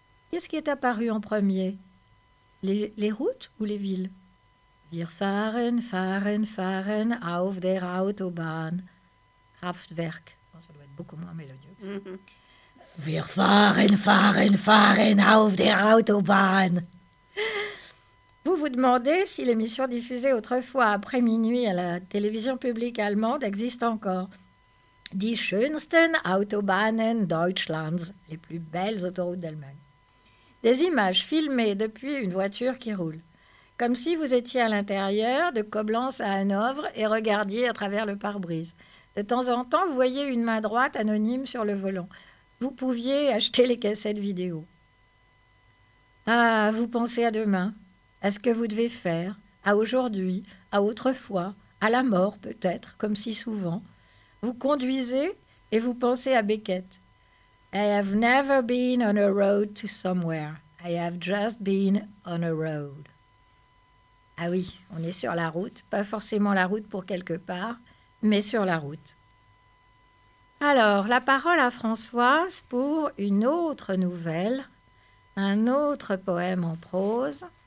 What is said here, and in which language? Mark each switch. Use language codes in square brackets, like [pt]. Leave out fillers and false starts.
[fr] Qu'est-ce qui est apparu en premier ? Les routes ou les villes ? [de] Wir fahren auf der Autobahn. Kraftwerk. [fr] Bon, ça doit être beaucoup moins mélodieux. Mm-hmm. [de] Wir fahren auf der Autobahn. [fr] Vous vous demandez si l'émission diffusée autrefois après minuit à la télévision publique allemande existe encore. [de] Die schönsten Autobahnen Deutschlands, [fr] les plus belles autoroutes d'Allemagne. Des images filmées depuis une voiture qui roule. Comme si vous étiez à l'intérieur de Coblence à Hanovre et regardiez à travers le pare-brise. De temps en temps, vous voyez une main droite anonyme sur le volant. Vous pouviez acheter les cassettes vidéo. Ah, vous pensez à demain, à ce que vous devez faire, à aujourd'hui, à autrefois, à la mort peut-être, comme si souvent. Vous conduisez et vous pensez à Beckett. [en] I have never been on a road to somewhere. I have just been on a road. [fr] Ah oui, on est sur la route, pas forcément la route pour quelque part, mais sur la route. Alors, la parole à Françoise pour une autre nouvelle, un autre poème en prose.